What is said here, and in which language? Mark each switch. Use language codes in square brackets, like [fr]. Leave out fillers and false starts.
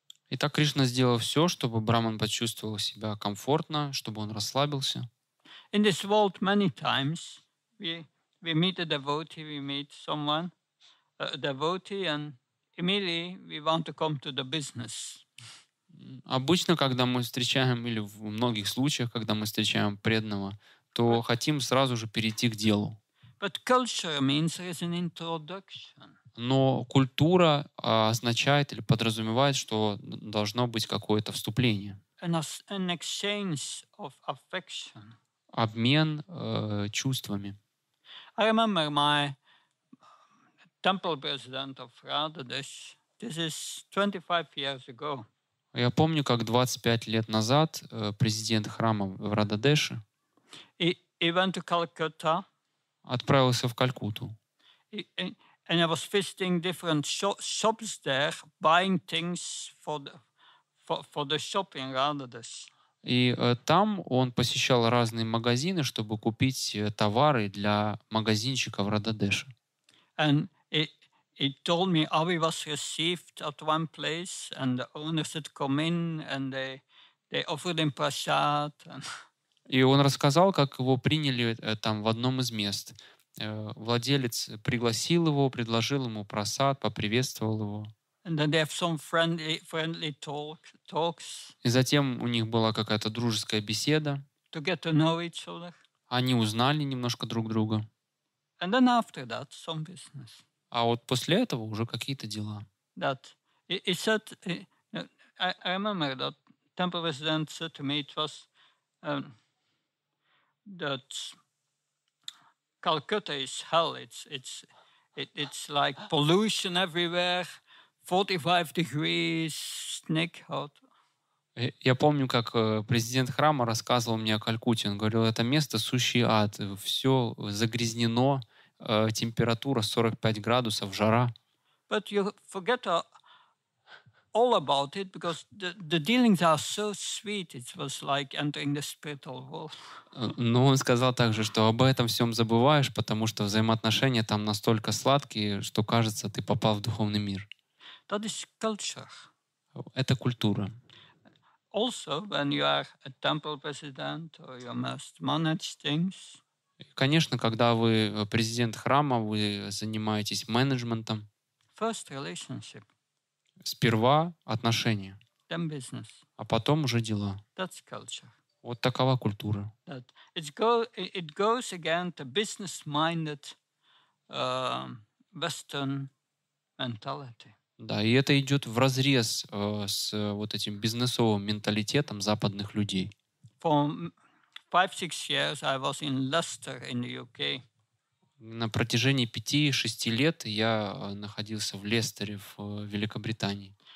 [ru] Итак, Кришна сделал все, чтобы брахман почувствовал себя комфортно, чтобы он расслабился. [en] In this world many times we meet a devotee, we meet someone, a devotee, and immediately we want to come to the business. [ru] Обычно, когда мы встречаем, или в многих случаях, когда мы встречаем преданного, то хотим сразу же перейти к делу. [en] But culture means there is an introduction. [ru] Но культура означает или подразумевает, что должно быть какое-то вступление. [en] An exchange of affection. [ru] Обмен чувствами. [en] I remember my temple president of Radha Desh. This is 25 years ago. [ru] Я помню, как 25 лет назад президент храма в Радха Деше [en] he went to Calcutta. [ru] отправился в Калькутту. [en] And I was visiting different shops there, buying things for the shopping rather than. [ru] И там он посещал разные магазины, чтобы купить товары для магазинчика в Рададеше. [en] And he told me how he was received at one place, and the owners had come in and they offered him prasad. [ru] И он рассказал, как его приняли там в одном из мест. Владелец пригласил его, предложил ему просад, поприветствовал его. [en] And then they have some friendly talks. [ru] И затем у них была какая-то дружеская беседа. [en] To get to know each other. [ru] Они узнали немножко друг друга. [en] And then after that, some business. [ru] А вот после этого уже какие-то дела. [en] That he said, I remember that temple resident said to me it was that Calcutta is hell. It's like pollution everywhere. 45 degrees, snake hot. [ru] Я помню, как президент храма рассказывал мне о Калькутте. Он говорил, это место сущий ад. Все загрязнено. Температура 45 градусов, жара. [en] But you forget all about it because the dealings are so sweet. It was like entering the spiritual world. [ru] Но он сказал также, что об этом всем забываешь, потому что взаимоотношения там настолько сладкие, что кажется, ты попал в духовный мир. [en] That is culture. [ru] Это культура. [en] Also, when you are a temple president or you must manage things. [ru] Конечно, когда вы президент храма, вы занимаетесь менеджментом. [en] First relationship. [ru] Сперва отношения. [en] Then business. [ru] А потом уже дела. [en] That's culture. [ru] Вот такова культура. [en] That it goes again to business-minded Western mentality. [ru] Да, и это идет вразрез с вот этим бизнесовым менталитетом западных людей. [en] For 5-6 years I was in Leicester in the UK. [ru] На протяжении 5-6 лет я находился в Лестере в Великобритании.